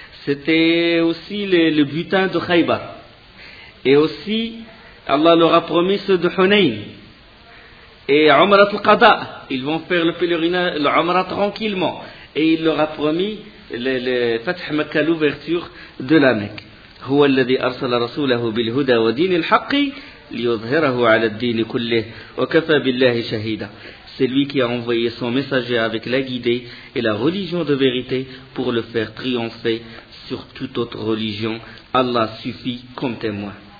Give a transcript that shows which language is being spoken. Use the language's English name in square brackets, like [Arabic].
[French] C'était aussi le butin de Khaybar. Et aussi... Allah leur a promis ceux de Hunayn et Umrat al-Qada, ils vont faire le pèlerinage, l'Umrat tranquillement, et il leur a promis le Fath Makkah, l'ouverture de la Mecque. [Arabic] هو الذي أرسل رسوله بالهدى ودين الحق ليظهره على الدين كله وكفى بالله شهيدا. [French] C'est lui qui a envoyé son messager avec la guidée et la religion de vérité pour le faire triompher sur toute autre religion. Allah suffit comme témoin.